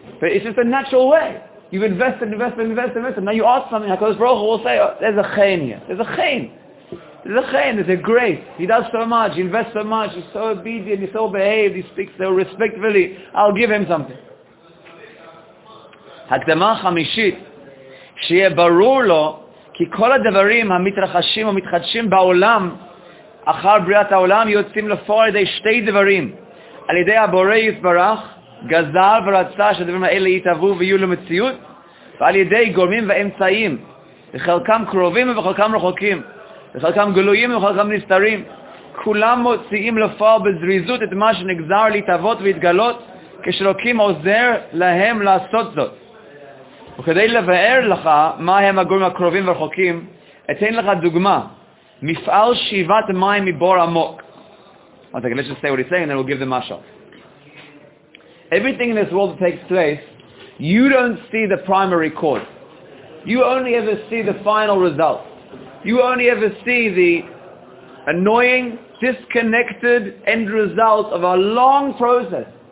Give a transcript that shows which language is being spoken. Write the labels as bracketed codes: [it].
[en] But it's just a natural way. You've invested, invested, invested, invested. Now you ask something, HaKadosh Baruch Hu will say, oh, there's a chen here. There's a chen. There's a chen, there's a grace. He does so much, he invests so much, he's so obedient, he's so behaved, he speaks so respectfully, I'll give him something. [he] הקדמה חמישית, שיהיה ברור לו כי כל הדברים המתרחשים ומתחדשים בעולם אחר בריאת העולם יוצאים לפועל על ידי שתי דברים, על ידי הבורא יתברך, גזר ורצה שהדברים האלה יתהוו ויהיו למציאות, ועל ידי גורמים ואמצעים, בחלקם קרובים ובחלקם רחוקים, בחלקם גלויים ובחלקם נסתרים, כולם מוציאים לפועל בזריזות את מה שנגזר להתהוות ולהתגלות, כשאלוקים עוזר להם לעשות זאת. וכדי לבאר לך מה הם הגורמים הקרובים והרחוקים, אתן לך דוגמה. מפעל שאיבת מים מבור עמוק. [en] Okay, let's just say what he's saying and then we'll give the mashal. Everything in this world takes place, you don't see the primary cause. You only ever see the final result. You only ever see the annoying, disconnected end result of a long process.